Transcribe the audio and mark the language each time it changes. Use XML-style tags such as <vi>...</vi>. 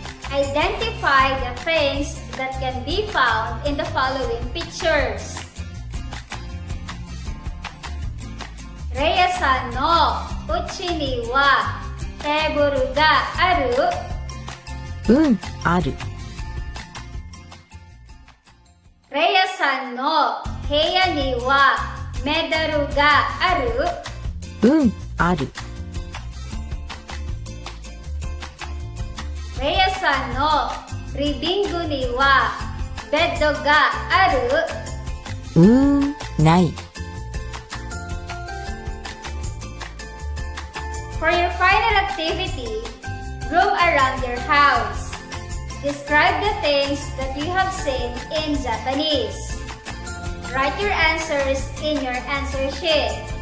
<en>Identify the things that can be found in the following pictures.</en> <ja>レイヤさんのうちにはテーブルがある? うん、ある。レイヤさんの部屋にはメダルがある? うん、ある。レイヤさんのリビングにはベッドがある? ない。</ja> <en>For your final activity, group around your house. Describe the things that you have seen in Japanese. Write your answers in your answer sheet.</en>